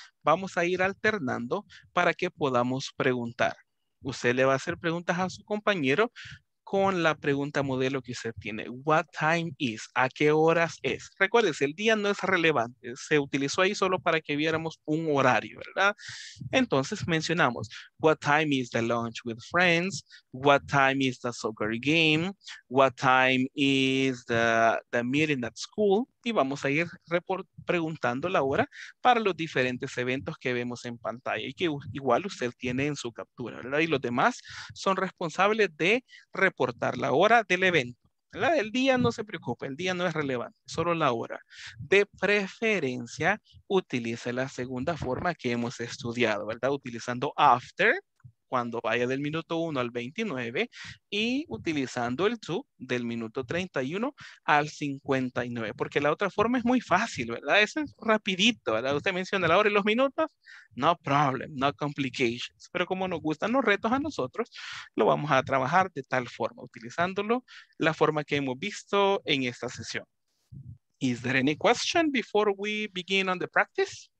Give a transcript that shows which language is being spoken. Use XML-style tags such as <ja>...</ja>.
<es>Vamos a ir alternando para que podamos preguntar. Usted le va a hacer preguntas a su compañero con la pregunta modelo que usted tiene.</es> <en>What time is?</en> <es>¿A qué horas es? Recuérdese, el día no es relevante. Se utilizó ahí solo para que viéramos un horario, ¿verdad? Entonces mencionamos,</es> <en>what time is the lunch with friends? What time is the soccer game? What time is the meeting at school?</en> <es>Y vamos a ir preguntando la hora para los diferentes eventos que vemos en pantalla y que igual usted tiene en su captura, ¿verdad? Y los demás son responsables de reportar la hora del evento. El día no se preocupe, el día no es relevante, solo la hora. De preferencia, utilice la segunda forma que hemos estudiado, ¿verdad? Utilizando after, cuando vaya del minuto 1 al 29, y utilizando el to, del minuto 31 al 59, porque la otra forma es muy fácil, ¿verdad? Es rapidito, ¿verdad? Usted menciona la hora y los minutos,</es> <en>no problem, no complications,</en> <es>pero como nos gustan los retos a nosotros, lo vamos a trabajar de tal forma, utilizándolo la forma que hemos visto en esta sesión.</es> <en>Is there any question before we begin on the practice?</en>